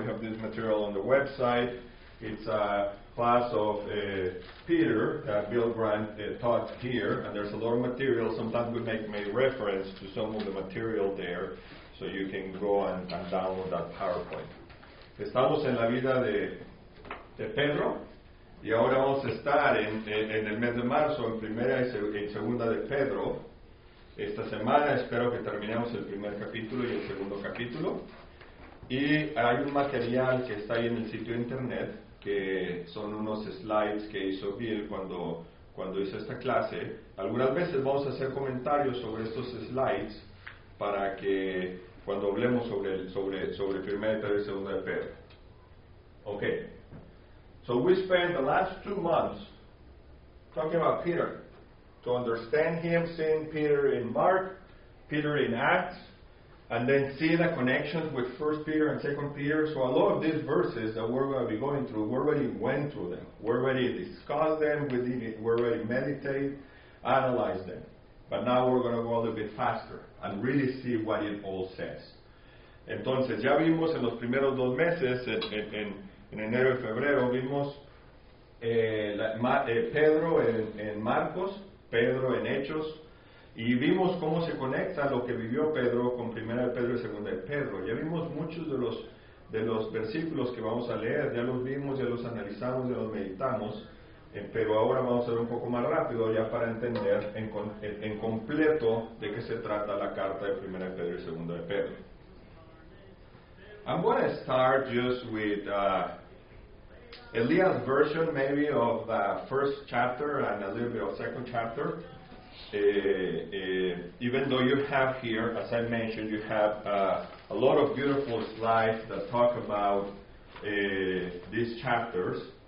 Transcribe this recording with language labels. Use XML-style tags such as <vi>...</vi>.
<en>We have this material on the website. It's a class of Peter that Bill Grant taught here. And there's a lot of material. Sometimes we make a reference to some of the material there. So you can go and download that PowerPoint.</en> <es>Estamos en la vida de Pedro. Y ahora vamos a estar en el mes de marzo, en primera y segunda de Pedro. Esta semana espero que terminemos el primer capítulo y el segundo capítulo. Y hay un material que está ahí en el sitio de internet, que son unos slides que hizo Bill cuando hizo esta clase. Algunas veces vamos a hacer comentarios sobre estos slides para que cuando hablemos sobre primera y tercera y segunda de Pedro.</es> <en>Okay. So we spent the last 2 months talking about Peter. To understand him, seeing Peter in Mark, Peter in Acts, and then see the connections with 1 Peter and 2 Peter. So a lot of these verses that we're going to be going through, we already went through them. We already discussed them, we already meditate, analyze them. But now we're going to go a little bit faster and really see what it all says.</en> <es>Entonces, ya vimos en los primeros dos meses, en enero y febrero, vimos Pedro en Marcos, Pedro en Hechos, y vimos cómo se conecta lo que vivió Pedro con primera de Pedro y segunda de Pedro. Ya vimos muchos de los versículos que vamos a leer, ya los vimos, ya los analizamos, ya los meditamos, pero ahora vamos a hacer un poco más rápido ya para entender en completo de qué se trata la carta de primera de Pedro y segunda de Pedro.</es> <en>I'm going to start just with Elias' version, maybe, of the first chapter and a little bit of second chapter. Even though you have here, as I mentioned, you have a lot of beautiful slides that talk about these chapters.</en>